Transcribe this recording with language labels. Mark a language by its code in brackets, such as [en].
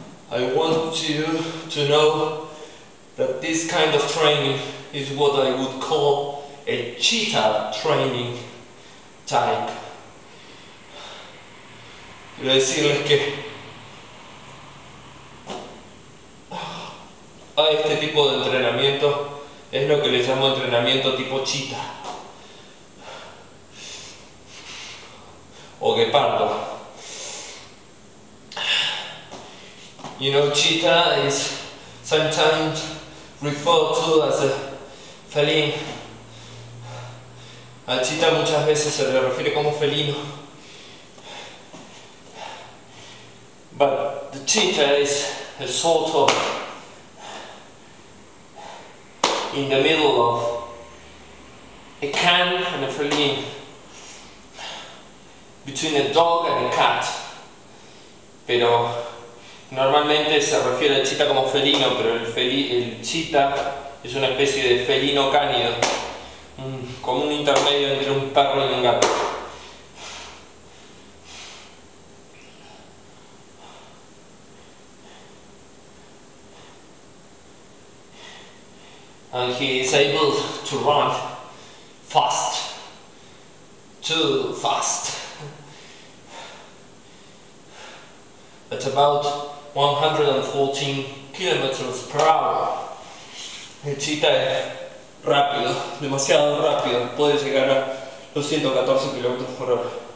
[en] I want you to know that this kind of training is what I would call a cheetah training type. [es] Quiero decirles que a este tipo de entrenamiento es lo que le llamo entrenamiento tipo cheetah o guepardo. [en] You know, cheetah is sometimes referred to as a felino. [es] A cheetah muchas veces se le refiere como felino. [en] But the cheetah is a sort of in the middle of a can and a feline, between a dog and a cat. [es] Pero normalmente se refiere al cheetah como felino, pero el cheetah es una especie de felino cánido, como un intermedio entre un perro y un gato. [en] And he is able to run fast, too fast, at about 114 kilometers per hour. [es] El cheetah es rápido, demasiado rápido, puede llegar a los 114 kilómetros por hora.